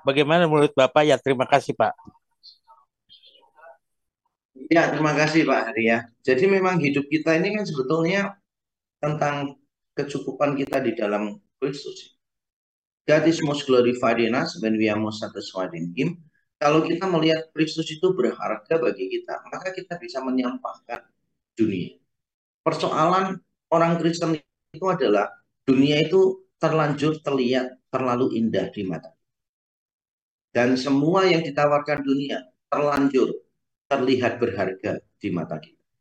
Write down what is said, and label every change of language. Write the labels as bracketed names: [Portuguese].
[Indonesian] Bagaimana menurut Bapak? Ya, terima kasih, Pak. Ya, terima kasih, Pak Hari. Ya. Jadi memang hidup kita ini kan sebetulnya tentang kecukupan kita di dalam Kristus. [English] God is most glorified in us when we are most satisfied in Him. [Indonesian] Kalau kita melihat Kristus itu berharga bagi kita, maka kita bisa menyampaikan dunia. Persoalan orang Kristen itu adalah dunia itu terlanjur terlihat terlalu indah di mata. Dan semua yang ditawarkan dunia terlanjur terlihat berharga di mata kita.